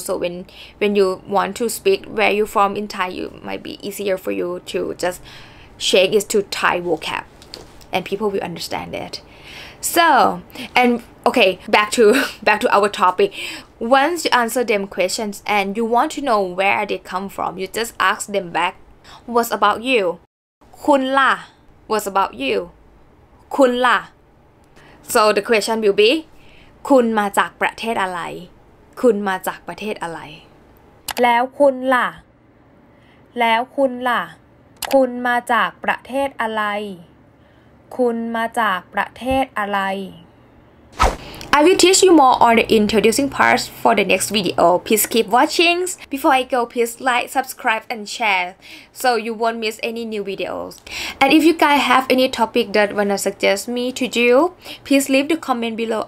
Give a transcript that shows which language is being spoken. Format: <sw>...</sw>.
<en>So when you want to speak where you're from in Thai, you might be easier for you to just change it to Thai vocab. And people will understand it. So, and okay, back to our topic. Once you answer them questions and you want to know where they come from, you just ask them back. What's about you?</en> <th>คุณล่ะ</th> <en>What's about you?</en> <th>คุณล่ะ</th> <en>So the question will be</en> <th>คุณมาจากประเทศอะไรคุณมาจากประเทศอะไร แล้วคุณล่ะแล้วคุณล่ะคุณมาจากประเทศอะไรคุณมาจากประเทศอะไร</th> <en>I will teach you more on the introducing parts for the next video. Please keep watching. Before I go, please like, subscribe, and share so you won't miss any new videos. And if you guys have any topic that wanna suggest me to do, please leave the comment below.</en>